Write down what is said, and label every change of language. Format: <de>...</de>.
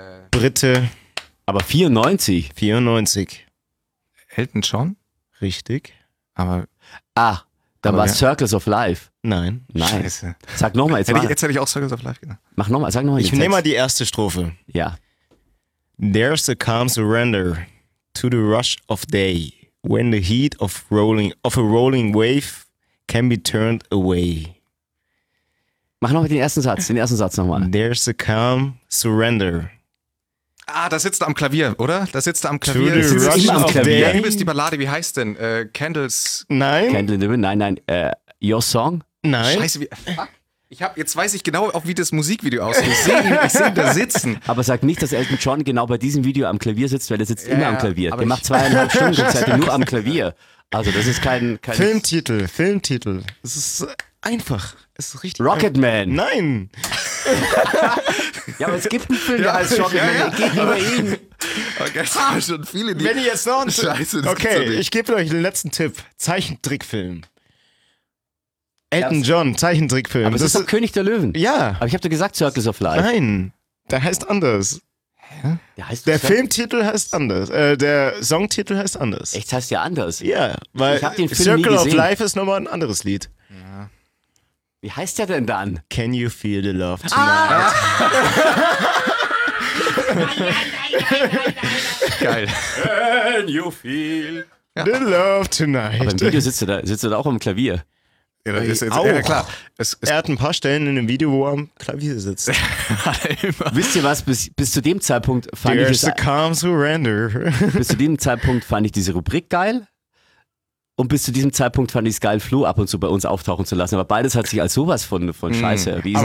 <de>Brite. Aber 94. 94. Elton John? Richtig. Aber. Circles of Life. Nein. Scheiße. Sag nochmal. Jetzt hätte ich auch Circles of Life gedacht. Mach nochmal, sag nochmal. Ich nehme mal die erste Strophe. Ja.</de> <en>There's a calm surrender to the rush of day, when the heat of a rolling wave can be turned away.</en> <de>Mach nochmal den ersten Satz nochmal.</de> <en>There's a calm surrender.</en> <de>Ah, da sitzt er am Klavier, oder? Da sitzt er am Klavier.</de> <en>To the rush of day.</en> <de>Wie ist die Ballade, wie heißt denn? Candles? Nein. Candle in the Wind? Nein. Your Song? Nein. Scheiße, jetzt weiß ich genau auch, wie das Musikvideo aussieht. Ich seh ihn da sitzen. Aber sag nicht, dass Elton John genau bei diesem Video am Klavier sitzt, weil er sitzt immer am Klavier. Der macht zweieinhalb Stunden Zeit nur am Klavier. Also das ist kein Filmtitel. Es ist einfach. Es ist richtig. Rocketman. Nein. Ja, aber es gibt einen Film, der heißt Rocketman. Ja. Geht über ihn. Okay, es sind schon viele, die... Wenn ihr jetzt noch einen Scheiße, okay, ich gebe euch den letzten Tipp. Zeichentrickfilm. Elton John, Zeichentrickfilm. Aber das ist doch König der Löwen. Ja. Aber ich hab doch gesagt Circles of Life. Nein, der heißt anders. Hä? Der heißt der Filmtitel heißt anders. Der Songtitel heißt anders. Echt, heißt ja anders. Ja, weil ich hab den Film Circle nie of Life ist nochmal ein anderes Lied. Ja. Wie heißt der denn dann?</de> <en>Can you feel the love tonight?</en> <de>Geil.</de> <en>Can you feel the love tonight?</en> <de>Aber im Video sitzt du da auch am Klavier. Er hat ein paar Stellen in dem Video, wo er am Klavier sitzt. Wisst ihr was, bis zu dem Zeitpunkt fand</de> <en>There's</en> <de>ich es,</de> <en>a calm surrender.</en> <de>Bis zu diesem Zeitpunkt fand ich diese Rubrik geil und bis zu diesem Zeitpunkt fand ich es geil, Flo ab und zu bei uns auftauchen zu lassen. Aber beides hat sich als sowas von Scheiße erwiesen.</de>